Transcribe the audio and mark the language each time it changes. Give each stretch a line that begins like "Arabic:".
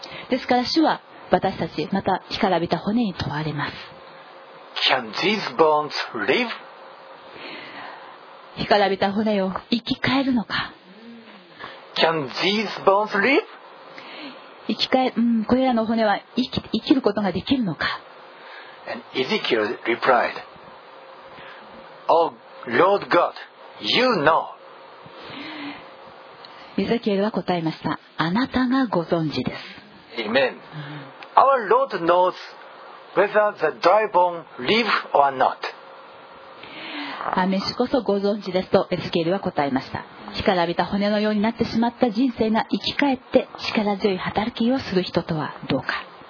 Japanese: ですから主は私たち、また干からびた骨に問われます。
English: Can these bones live?
Japanese: 干からびた骨を生き返るのか。
English: Can these bones live?
Japanese: 生き返、これらの骨は生きることができるのか。
English: And Ezekiel replied, Oh Lord God, you know.
Japanese: イザキエルは答えました。あなたがご存知です。
English: Amen. Our Lord knows whether the dry bone live or not.
Japanese: アメシこそご存知ですとエスケルは答えました。干からびた骨のようになってしまった人生が生き返って力強い働きをする人とはどうか。